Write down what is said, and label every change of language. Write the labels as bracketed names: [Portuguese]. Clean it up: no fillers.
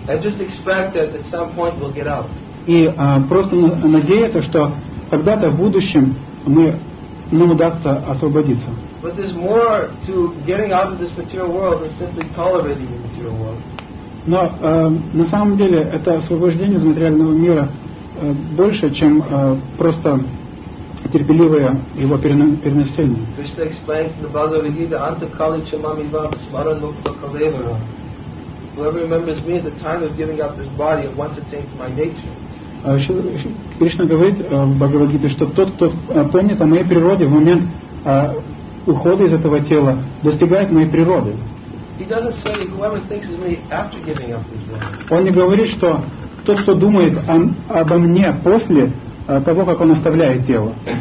[English] I just expect that at some point we'll get out. [Russian] И просто надеяться, что когда-то в будущем нам удастся освободиться. [English] But there's more to getting out of this material world than simply tolerating the material world. [Russian] Но на самом деле это освобождение из материального мира больше, чем просто терпеливое его переносение. [English] Krishna explains in the Bhagavad Gita, [Sanskrit] Anta Kali Chamami Vam Smaran Mukta Kalevara. [English] Whoever remembers me at the time of giving up this body at once attains my nature. [Russian] Кришна говорит в Бхагавад Гите, что тот, кто помнит о моей природе в момент ухода из этого тела, достигает моей природы. [English] He doesn't say whoever thinks of me after giving up this body. [Russian] Он не говорит, что тот, кто думает обо мне после того, как он оставляет тело.